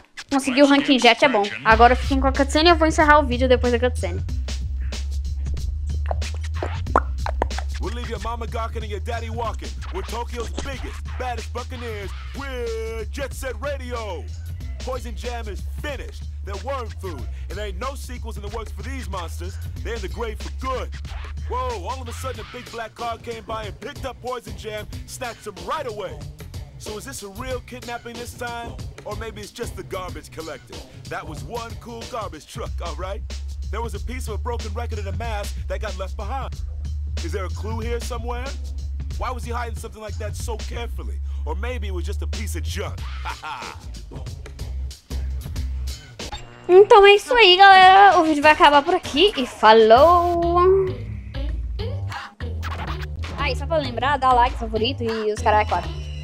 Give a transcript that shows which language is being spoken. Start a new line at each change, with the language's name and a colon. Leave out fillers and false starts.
Portuguese: Consegui o ranking jet, é bom. Agora eu fico com a cutscene e eu vou encerrar o vídeo depois da cutscene.
English: Your mama gawking and your daddy walking. We're Tokyo's biggest, baddest buccaneers. We're Jet Set Radio. Poison Jam is finished. They're worm food. And there ain't no sequels in the works for these monsters. They're in the grave for good. Whoa, all of a sudden a big black car came by and picked up Poison Jam, snatched him right away. So is this a real kidnapping this time? Or maybe it's just the garbage collector? That was one cool garbage truck, all right? There was a piece of a broken record and a mask that got left behind. Is there a clue here somewhere? Why was he hiding something like that so carefully? Or maybe it was just a piece of junk.
Portuguese: Então é isso aí, galera. O vídeo vai acabar por aqui. E falou! Ah, e só pra lembrar, dá like, favorito e os caras é claro.